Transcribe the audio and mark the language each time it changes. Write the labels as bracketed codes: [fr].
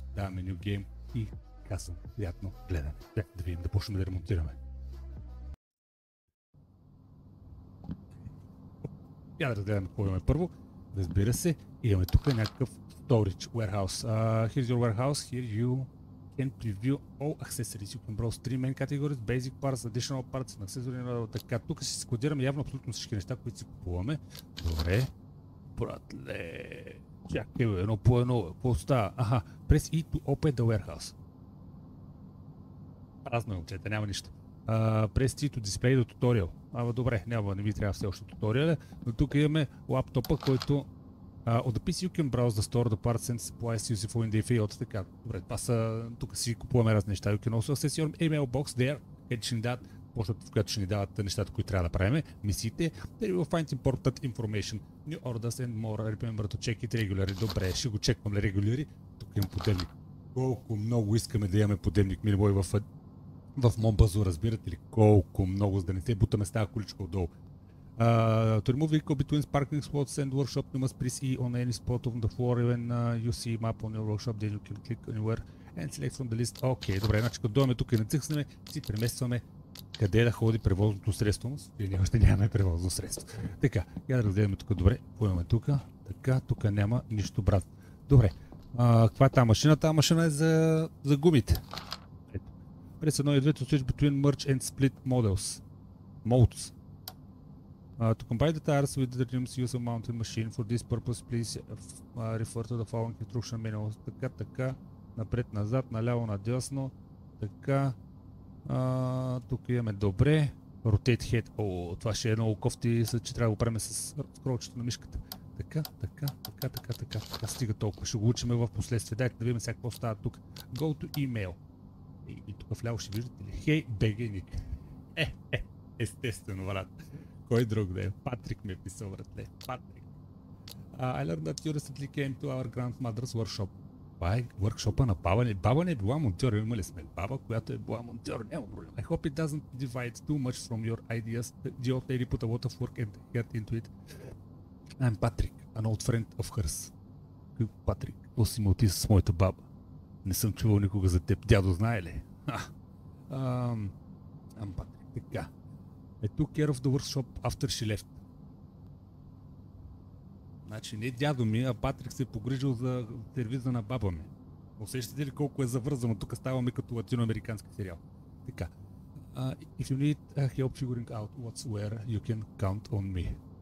[bg] Даваме [en] new game [bg] и казвам приятно гледане. Да видим, да почнем да ремонтираме. Я да разгледаме какво имаме първо. Разбира се, имаме тук някакъв [en] storage warehouse. Here's your warehouse, here you... can preview all accessories. You can browse 3 main categories, basic parts, additional parts, accessory and all. [bg] Така, тук ще си складираме явно абсолютно всички неща, които си купуваме. Добре. Братле. Чакай, бе, едно по едно. Какво става? Аха. [en] Press E to open the warehouse. [bg] Празно е, момчета, няма нищо. [en] Press E to display the tutorial. [bg] Ама добре, няма, не ми трябва все още туториале. Но тук имаме лаптопа, който... [en] от the PC you can browse the store, the parts and supplies used for in the field. [bg] Така, добре, това са, тук си купуваме разни неща. [en] You can also access your email box there, [bg] където ще ни дават, почтата, в която ще ни дават нещата, които трябва да правим, мисиите. [en] There you will find important information, new orders and more, remember to check it regularly. [bg] Добре, ще го чекваме регулярно. Тук имам подемник. Колко много искаме да имаме подемник, мили бой, в Монбазо, разбирате ли? Колко много, за да не се бутаме с тази количка отдолу. [en] To remove vehicle between parking spots and workshop, you must press E on any spot on the floor, even you see map on your workshop, then you can click anywhere and select from the list. [bg] Окей, добре, значи като дойме тук и нацъкнеме, си преместваме къде да ходи превозното средство, но си ние още нямаме превозно средство. Така, я да разгледаме тук, добре, поемаме тук, така, тук няма нищо, брат. Добре, каква е тази машина? Тази машина е за гумите. Ето, през 1 и 2, [en] to switch between merge and split models, modes. To combine the tires with the rims, use a mounted machine. For this purpose, please refer to the following instruction manual. [bg] Така, така, напред, назад, наляво, надясно. Така, тук имаме добре. [en] Rotate head. [bg] О, това ще е много кофти, след че трябва да го правим с скролчето на мишката. Така, така, така, така, така, така, стига толкова. Ще го учим в последствие. Дайте да видим сега какво става тук. [en] Go to email. [bg] И тук в ляво ще виждате ли? [en] Hey, beginning. [bg] Естествено, брат. Кой друг да е? Патрик ми е писал, братле. Патрик. [en] I learned that you recently came to our grandmother's workshop. [bg] Това е workshop-а на баба ни. Баба не е била монтьор, имали сме баба, която е била монтьор, няма проблем. [en] I hope it doesn't divide too much from your ideas. The old lady put a lot of work and get into it. I'm Patrick, an old friend of hers. [bg] Патрик, какво си имал ти с моята баба? Не съм чувал никога за теб. Дядо знае ли? [en] I'm Patrick, [bg] така. [en] I took care of the workshop after she left. [bg] Значи не дядо ми, а Патрик се е погрижил за сервиза на баба ми. Усещате ли колко е завързано? Тук ставаме като латиноамерикански сериал. Така. [en] If you need help figuring out what's where, you can count on me.